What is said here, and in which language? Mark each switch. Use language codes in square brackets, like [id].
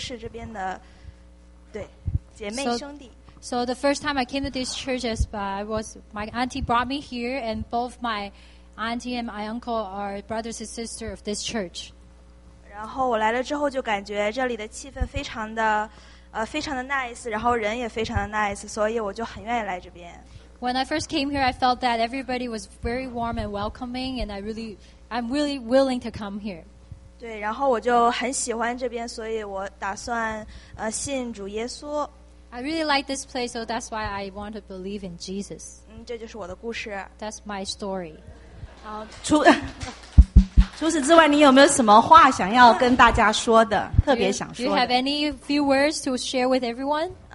[zh] 然后我第一次来教会是我阿姨带我来的，因为她跟我姨夫都是这边的，对，姐妹兄弟。 [en] So the first time I came to this church is my auntie brought me here, and both my auntie and my uncle are brothers and sisters of this church. [zh] 然后我来了之后就感觉这里的气氛非常的nice, 然后人也非常的nice, 所以我就很愿意来这边。 [en] When I first came here, I felt that everybody was very warm and welcoming, and I'm really willing to come here. [zh] 对，然后我就很喜欢这边，所以我打算信主耶稣。 [en] I really like this place, so that's why I want to believe in Jesus. [zh] 这就是我的故事。 [en] That's my story. [zh] 除此之外，你有没有什么话想要跟大家说的？特别想说的。 [en] Do you have any few words to share with everyone?